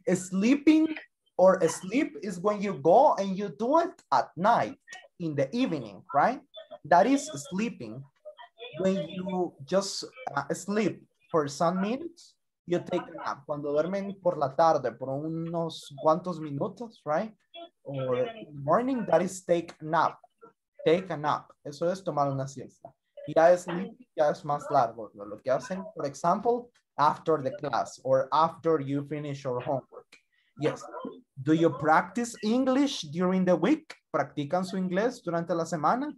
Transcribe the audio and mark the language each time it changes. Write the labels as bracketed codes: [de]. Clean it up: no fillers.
[en] Sleeping or sleep is when you go and you do it at night, in the evening, right? That is sleeping. When you just sleep for some minutes, you take a nap. [es] Cuando duermen por la tarde, por unos cuantos minutos, right? [en] Or in the morning, that is take a nap. Take a nap. [es] Eso es tomar una siesta. Ya es sleeping, ya es más largo. Lo que hacen, [en] for example, after the class or after you finish your homework. Yes. Do you practice English during the week? [es] ¿Practican su inglés durante la semana?